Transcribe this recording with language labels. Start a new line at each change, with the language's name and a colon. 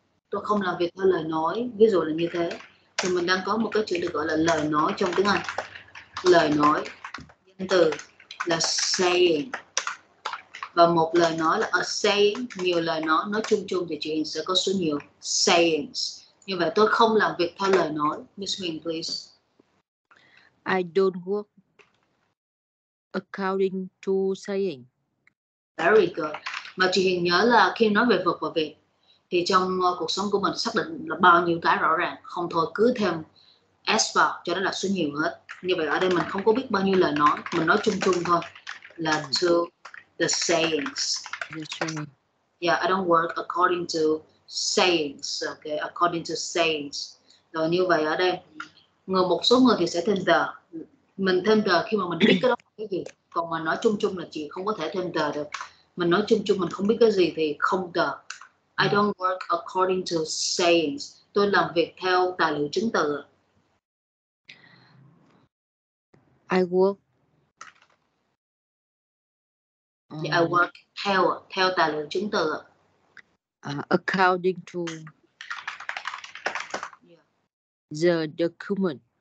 Vietnamese: Tôi không làm việc theo lời nói, ví dụ là như thế. Thì mình đang có một cái chữ được gọi là lời nói trong tiếng Anh. Lời nói, danh từ là saying. Và một lời nói là a saying. Nhiều lời nói chung chung thì chị Huyền sẽ có số nhiều sayings. Như vậy tôi không làm việc theo lời nói.
English: Miss Huyền, please. I don't work according to saying. Very good.
Vietnamese: Mà chị Huyền nhớ là khi nói về vật và việc thì trong cuộc sống của mình xác định là bao nhiêu cái rõ ràng. Không thôi cứ thêm S vào cho nó là số nhiều hết. Như vậy ở đây mình không có biết bao nhiêu lời nói, mình nói chung chung thôi.
English: Là to the sayings. Yeah, I don't work according to sayings. Okay, according to sayings.
Vietnamese: Rồi như vậy ở đây, người một số người thì sẽ thêm the. Mình thêm the khi mà mình biết cái đó là cái gì. Còn mà nói chung chung là chị không có thể thêm the được. Mình nói chung chung mình không biết cái gì thì không the.
English: I don't work according to sayings.
Vietnamese: Tôi làm việc theo tài liệu chứng từ.
English: I work. Yeah, I work
Vietnamese: theo theo tài liệu chứng từ.
English: According to the document.